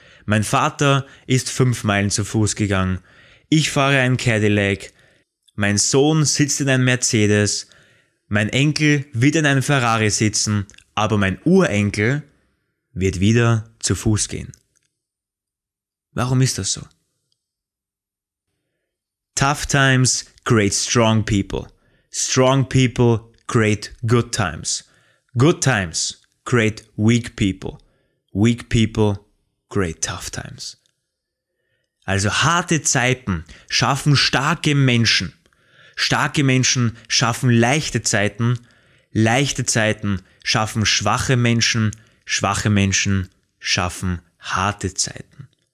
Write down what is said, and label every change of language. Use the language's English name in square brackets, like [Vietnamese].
[German] Mein Vater ist 5 Meilen zu Fuß gegangen. Ich fahre einen Cadillac. Mein Sohn sitzt in einem Mercedes. Mein Enkel wird in einem Ferrari sitzen. Aber mein Urenkel wird wieder zu Fuß gehen. Warum ist das so? [English] Tough times create strong people. Strong people create good times. Good times create weak people. Weak people create tough times. [German] Also harte Zeiten schaffen starke Menschen. Starke Menschen schaffen leichte Zeiten. Leichte Zeiten schaffen schwache Menschen. Schwache Menschen schaffen harte Zeiten.